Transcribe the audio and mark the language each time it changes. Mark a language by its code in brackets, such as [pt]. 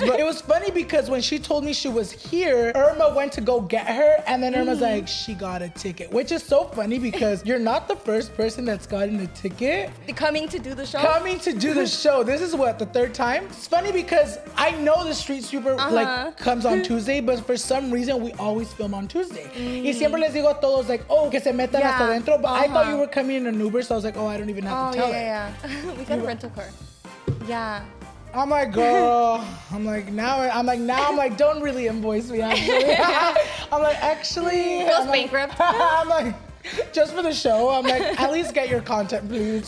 [en] But it was funny because when she told me she was here, Irma went to go get her, and then Irma's like, she got a ticket, which is so funny because you're not the first person that's gotten a ticket. Coming to do the show. This is what, the third time? It's funny because I know the street sweeper like comes on Tuesday, but for some reason we always film on Tuesday. [es] Y siempre les digo a todos [en] like, oh, [es] que se metan hasta dentro. [en] But I thought you were coming in an Uber, so I was like, oh, I don't even have to tell her. Oh, yeah. We got a rental car. Yeah. I'm like, girl, I'm like, don't really invoice me, actually. Bankrupt. I'm like, just for the show, I'm like, at least get your content, please.